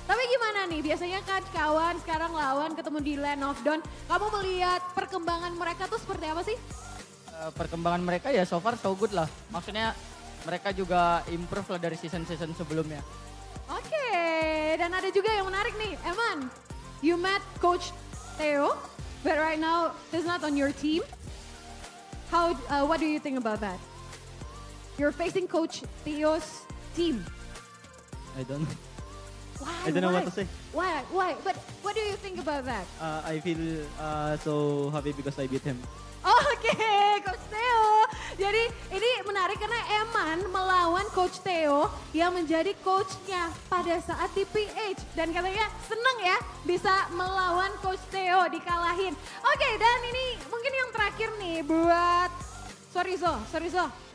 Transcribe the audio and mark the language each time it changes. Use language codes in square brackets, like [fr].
[id] Tapi gimana nih, biasanya kan kawan sekarang lawan ketemu di Land of Dawn. Kamu melihat perkembangan mereka tuh seperti apa sih? Perkembangan mereka ya [en] so far so good [id] lah. Maksudnya mereka juga improve lah dari season-season sebelumnya. Oke, dan ada juga yang menarik nih. [en] Eman, you met Coach Theo, but right now he's not on your team. What do you think about that? You're facing Coach Theo's team. I don't know what to say. Why? But what do you think about that? I feel so happy because I beat him. Okay, Coach Theo. [id] Jadi ini menarik karena Eman melawan Coach Theo yang menjadi coachnya pada saat di PH. Dan katanya seneng ya bisa melawan Coach Theo dikalahin. Okay, dan ini mungkin yang terakhir nih buat Sorizo.